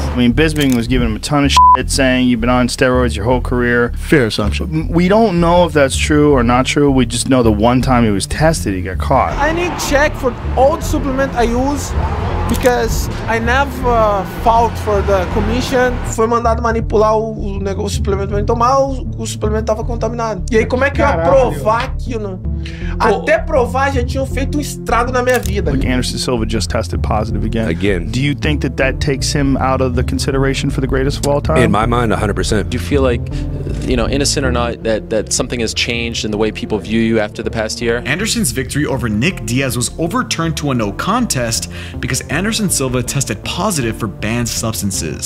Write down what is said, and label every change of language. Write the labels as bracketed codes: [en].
[en] I mean, Bisping was giving him a ton of shit, saying you've been on steroids your whole career. Fair assumption. We don't know if that's true or not true. We just know the one time he was tested, he got caught. I need check for all the supplement I use because I never fought for the commission. [pt] Foi mandado manipular o suplemento pra ele tomar, o suplemento tava contaminado. E aí, como é que eu ia provar que eu não... Até provar, já tinha feito estrago na minha vida. [en] Like Anderson Silva just tested positive again. Again. Do you think that that takes him out of the consideration for the greatest of all time? In my mind, 100%. Do you feel like, you know, innocent or not, that something has changed in the way people view you after the past year? Anderson's victory over Nick Diaz was overturned to a no contest because Anderson Silva tested positive for banned substances.